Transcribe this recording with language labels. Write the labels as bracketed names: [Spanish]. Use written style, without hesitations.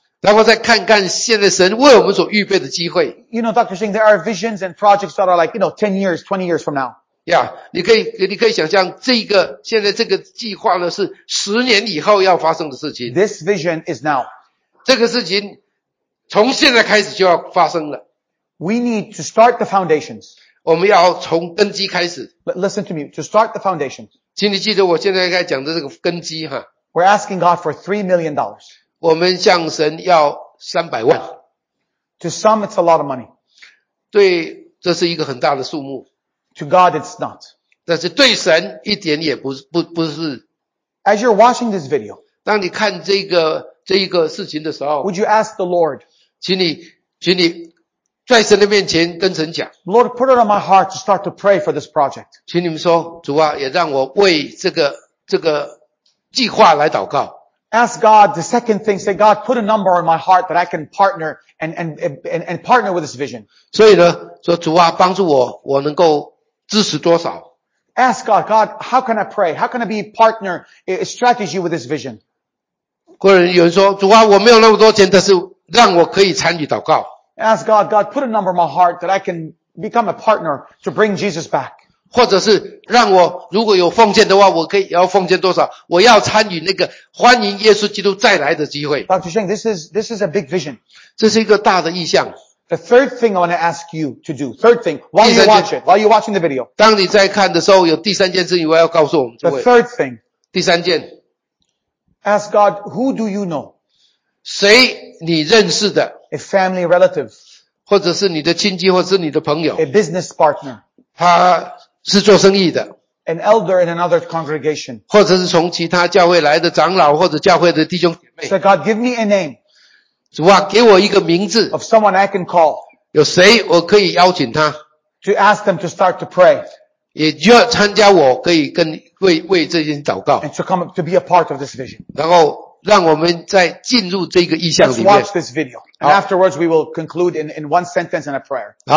[Chinese] 然后再看看现在神为我们所预备的机会。 [English] You know, Dr. Singh, there are visions and projects that are like, you know, 10 years, 20 years from now. [Chinese] Yeah, 你可以想象这个现在这个计划呢是十年以后要发生的事情。 [English] This vision is now. [Chinese] 这个事情从现在开始就要发生了。 [English] We need to start the foundations. [Chinese] 我们要从根基开始。 [English] Listen to me, to start the foundations. [Chinese] 请你记得我现在该讲的这个根基哈。 [English] We're asking God for $3 million. [Chinese] 我们向神要300万。 [English] To some, it's a lot of money. [Chinese] 对，这是一个很大的数目。 [English] To God, it's not. [Chinese] 但是对神一点也不是。 [English] As you're watching this video, [Chinese] 当你看这个事情的时候 [English] ，Would you ask the Lord? [Chinese] 请你在神的面前跟神讲 [English] ，Lord, put it on my heart to start to pray for this project. [Chinese] 请你们说，主啊，也让我为这个计划来祷告。 [English] Ask God the second thing. Say, God, put a number on my heart that I can partner and partner with this vision. [Chinese] 所以呢，说主啊，帮助我，我能够支持多少 [English] ？Ask God, God, how can I pray? How can I be partner a strategy with this vision? [Chinese] 或者有人说，主啊，我没有那么多钱，但是让我可以参与祷告。 [English] Ask God, God, put a number on my heart that I can become a partner to bring Jesus back. [Chinese] 或者是让我如果有奉献的话，我可以要奉献多少？我要参与那个欢迎耶稣基督再来的机会。 [English] Dr. Sheng, this is a big vision. [Chinese] 这是一个大的意向。 [English] The third thing I want to ask you to do, third thing, while you're watching the video. [Chinese] 当你在看的时候，有第三件事情我要告诉我们诸位。 [English] The third thing. [Chinese] 第三件。 [English] Ask God, who do you know? [Chinese] 谁你认识的 [English] ？A family relative. [Chinese] 或者是你的亲戚，或者是你的朋友。 [English] A business partner. [Chinese] 他是做生意的。 [English] An elder in another congregation. [Chinese] 或者是从其他教会来的长老或者教会的弟兄姐妹。 [English] So God, give me a name. [Chinese] 主啊，给我一个名字。 [English] Of someone I can call. [Chinese] 有谁我可以邀请他。 [English] To ask them to start to pray. [Chinese] 也就要参加我可以跟为这些祷告。 [English] And to come to be a part of this vision. [Chinese] 然后让我们再进入这个意象里面。 [English] Let's watch this video. And afterwards we will conclude in one sentence and a prayer.